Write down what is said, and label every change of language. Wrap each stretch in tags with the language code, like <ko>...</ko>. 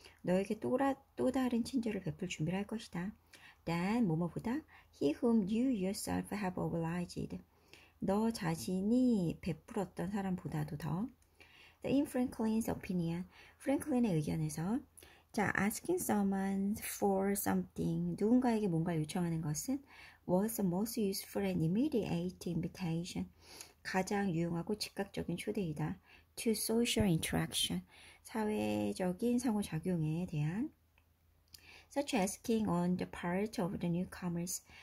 <ko>너에게 또 다른 친절을 베풀 준비를 할 것이다.</ko> <en>Then</en> <ko>뭐뭐보다</ko> <en>he whom you yourself have obliged.</en> <ko>너 자신이 베풀었던 사람보다도 더.</ko> <en>In Franklin's opinion,</en> <ko>프랭클린의 의견에서 자,</ko> <en>asking someone for something,</en> <ko>누군가에게 뭔가를 요청하는 것은</ko> <en>was the most useful and immediate invitation.</en> <ko>가장 유용하고 즉각적인 초대이다.</ko> <en>To social interaction.</en> <ko>사회적인 상호작용에 대한.</ko> <en>Such asking on the part of the newcomers.</en>